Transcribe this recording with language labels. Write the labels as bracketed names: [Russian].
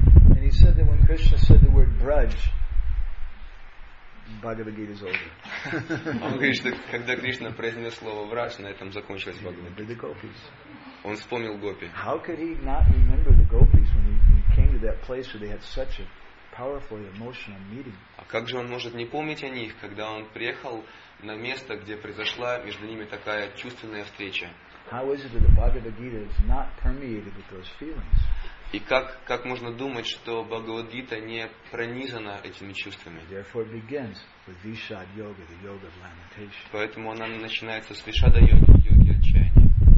[English] And he said that when Krishna said the word braj, Bhagavad Gita is over. [Russian] Он говорит, что когда Кришна произнес слово «врач», на этом закончилось Бхагавад Гита. Он вспомнил гопи. [English] How could he not remember the gopis when he came to that place where they had such a powerful emotional meeting? [Russian] А как же он может не помнить о них, когда он приехал на место, где произошла между ними такая чувственная встреча? [English] How is it that the Bhagavad Gita is not permeated with those feelings? [Russian] И как можно думать, что Бхагавад-гита не пронизана этими чувствами? [English] Therefore begins with Vishad Yoga, the yoga of lamentation. Поэтому она начинается с Вишада йоги, йоги отчаяния.